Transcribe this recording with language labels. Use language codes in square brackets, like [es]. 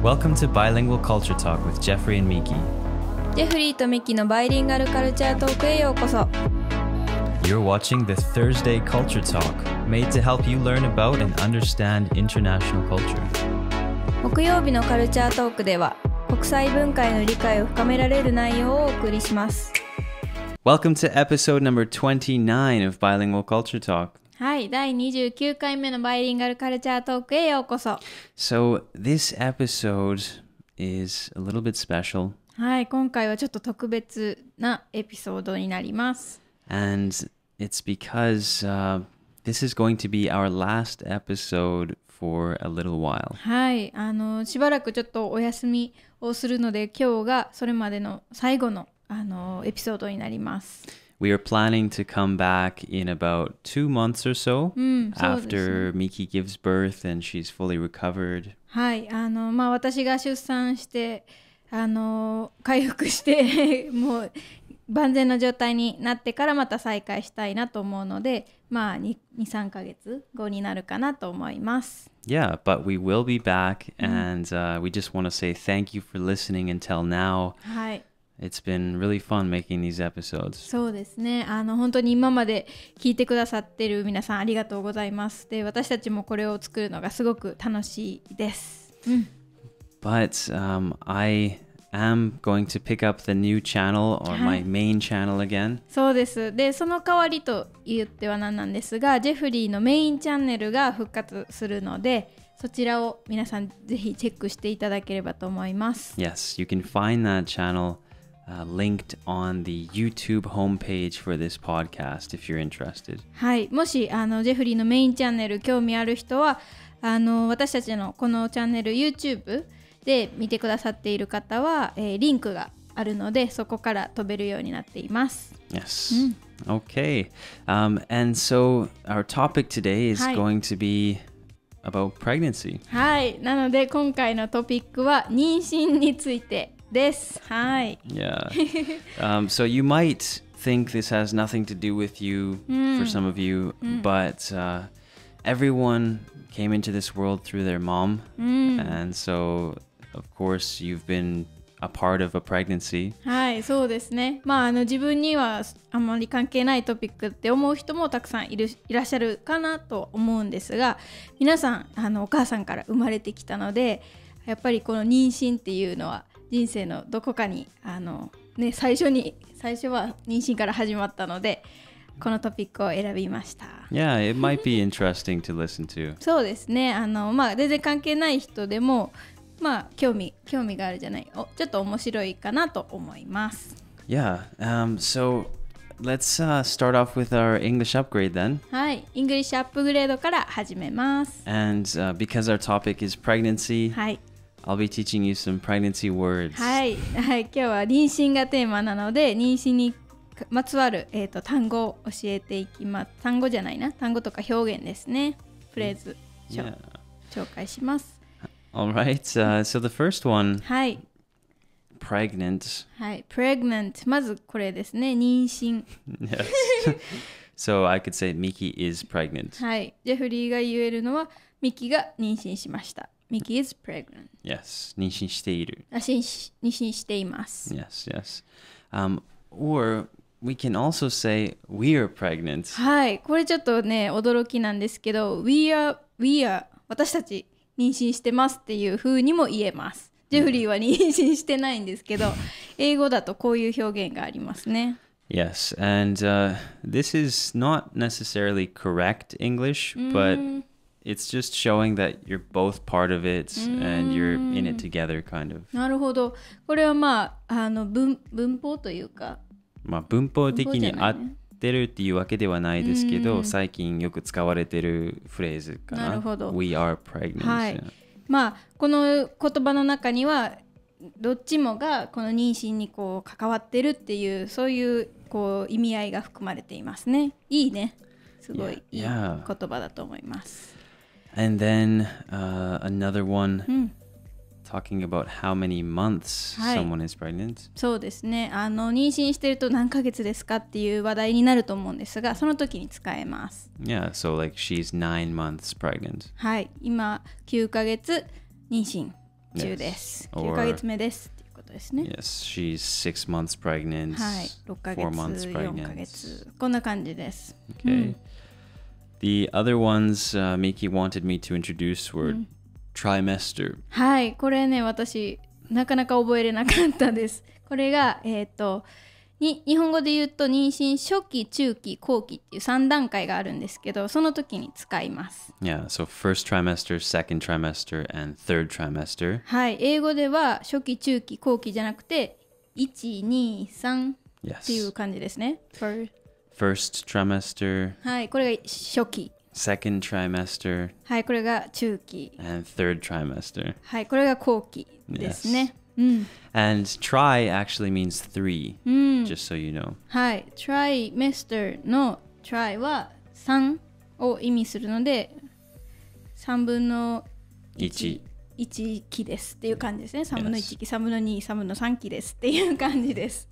[en] Welcome to Bilingual Culture Talk with Jeffrey and Miki. [ja] Jeffrey and Miki のバイリンガルカルチャートークへようこそ。 [en] You're watching the Thursday Culture Talk, made to help you learn about and understand international culture. [ja] 木曜日のカルチャートークでは、国際文化への理解を深められる内容をお送りします。 [en] Welcome to episode number 29 of Bilingual Culture Talk. [ja] はい、第29回目のバイリンガルカルチャートークへようこそ。 [en] So, this episode is a little bit special. [ja] はい、今回はちょっと特別なエピソードになります。 [en] And it's because, this is going to be our last episode for a little while. [ja] はい、しばらくちょっとお休みをするので、今日がそれまでの最後の、エピソードになります。 [en] We are planning to come back in about 2 months or so、after Miki gives birth and she's fully recovered. [ja] はい、まあ私が出産して、回復して、もう万全の状態になってからまた再開したいなと思うので、まあ 2、3 ヶ月後になるかなと思います。 [en] Yeah, but we will be back、and、we just want to say thank you for listening until now. [ja] はい。 [en] It's been really fun making these episodes. [ja] そうですね。本当に今まで聞いてくださってる皆さんありがとうございます。で、私たちもこれを作るのがすごく楽しいです。うん。 [en] But, I am going to pick up the new channel or my main channel again. [ja] そうです。で、その代わりと言ってはなんなんですが、ジェフリーのメインチャンネルが復活するので、そちらを皆さんぜひチェックしていただければと思います。 [en] Yes, you can find that channel. Linked on the YouTube homepage for this podcast, if you're interested. [ja] はい、もしジェフリーのメインチャンネル興味ある人は、私たちのこのチャンネル YouTube で見てくださっている方は、リンクがあるので、そこから飛べるようになっています。 [en] Yes.、Okay. And so our topic today is、going to be about pregnancy. [ja] はい、なので今回のトピックは妊娠について。 [en] This, hi. Yeah. So you might think this has nothing to do with you, for some of you, but everyone came into this world through their mom. And so, of course, you've been a part of a pregnancy. [ja] はい、そうですね。まあ、自分にはあまり関係ないトピックって思う人もたくさんいらっしゃるかなと思うんですが、皆さん、お母さんから生まれてきたので、やっぱりこの妊娠っていうのは、人生のどこかに、ね、最初は妊娠から始まったのでこのトピックを選びました。 [en] Yeah, it might be interesting to listen to. [ja] そうですね。まあ、全然関係ない人でも、まあ、興味があるじゃない。ちょっと面白いかなと思います。 [en] Yeah, so let's、start off with our English upgrade then. [ja] はい、English upgrade から始めます。 [en] And、because our topic is pregnancy. [ja] はい。 [en] I'll be teaching you some pregnancy words. [ja] はい、はい、今日は妊娠がテーマなので、妊娠にまつわる、単語を教えていきます。単語じゃないな、単語とか表現ですね。フレーズ、紹介します。 [en] All right,、so the first one. [ja] はい。 [en] Pregnant. [ja] はい、pregnant. まずこれですね、妊娠。 [en] Yes. So I could say Miki is pregnant. [ja] はい、ジェフリーが言えるのは、ミキが妊娠しました。 [en] Miki is pregnant. [ja] Yes, 妊娠している。妊娠しています。 [en] Yes, yes.、or we can also say we are pregnant. [ja] はい、これちょっとね、驚きなんですけど、 [en] we are [ja] 私たち妊娠してますっていう風にも言えます。ジェフリーは妊娠してないんですけど、英語だとこういう表現がありますね。 [en] Yes, and、this is not necessarily correct English, but... It's just showing that you're both part of it and you're in it together, kind of. [ja] なるほど。これはまあ、文法というか。まあ、文法的に合ってるっていうわけではないですけど、最近よく使われてるフレーズかな。なるほど。 [en] We are pregnant. [ja] はい。まあ、この言葉の中には、どっちもがこの妊娠にこう関わってるっていう、そういう、こう意味合いが含まれていますね。いいね。すごい、いい言葉だと思います。 [en] Yeah. Yeah. And then、another one、talking about how many months、someone is pregnant. [ja] そうですね。妊娠してると何ヶ月ですかっていう話題になると思うんですが、その時に使えます。 [en] Yeah, so like she's 9 months pregnant. [ja] はい、今9ヶ月妊娠。中です。 9ヶ月目です。 [en] Yes, she's 6 months pregnant. four months pregnant. [ja] こんな感じです。 [en] Okay.、The other ones、Miki wanted me to introduce were、trimester. [ja] はい、これね、私なかなか覚えれなかったです。これが日本語で言うと妊娠初期、中期、後期っていう三段階があるんですけど、その時に使います。 [en] Yeah, so first trimester, second trimester, and third trimester. [ja] はい、英語では初期、中期、後期じゃなくて1、2、3っていう感じですね。 [en] First trimester. [ja] はい、これが初期。 [en] Second trimester. [ja] はい、これが中期。 [en] And third trimester. [ja] はい、これが後期ですね。 [en] Yes. And tri actually means three,、just so you know. [ja] はい、trimester の tri は三を意味するので、三分の一期ですっていう感じですね。三分の一期、三分の二、三分の三期ですっていう感じです。